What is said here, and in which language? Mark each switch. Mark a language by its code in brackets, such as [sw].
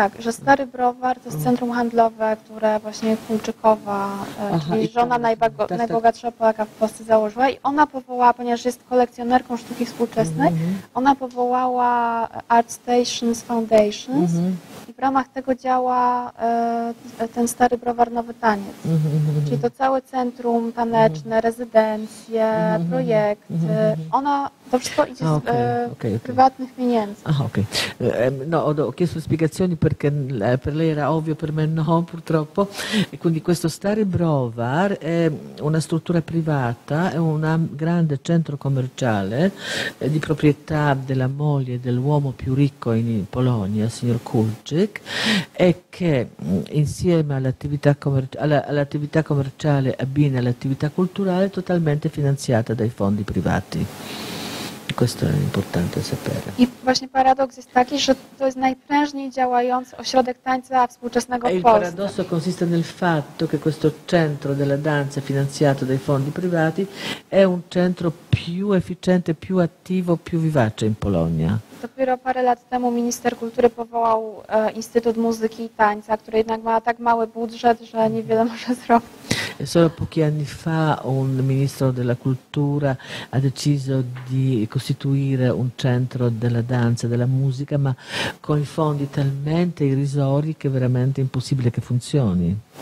[pl] Stary browar to jest centrum handlowe, które właśnie Kulczykowa, czyli żona najbogatsza Polaka w Polsce założyła i ona powołała, ponieważ jest kolekcjonerką sztuki współczesnej, ona powołała Art Stations Foundations i w ramach tego działa ten stary browar Nowy Taniec. Czyli to całe centrum taneczne, rezydencje, projekty. Ona To wszystko idzie prywatnych pieniędzy. Aha, okej. Okay. [it] No, ho chiesto spiegazioni perché per lei era ovvio, per me no, purtroppo. E quindi questo Stary Browar è una struttura privata, è un grande centro commerciale di proprietà della moglie dell'uomo più ricco in Polonia, signor Kulczyk, e che insieme all'attività commerciale abbina all'attività culturale totalmente finanziata dai fondi privati. Questo è importante sapere. [pl] I właśnie paradoks jest taki, że to jest najprężniej działający ośrodek tańca współczesnego w Polsce. [it] Il paradosso consiste nel fatto che questo centro della danza finanziato dai fondi privati è un centro più efficiente, più attivo, più vivace in Polonia. [pl] Dopiero parę lat temu minister kultury powołał Instytut Muzyki i Tańca, który jednak ma tak mały budżet, że niewiele może zrobić. [it] Solo pochi anni fa un ministro della cultura ha deciso di costituire un centro della danza, della musica, ma con i fondi talmente irrisori che è veramente impossibile che funzioni.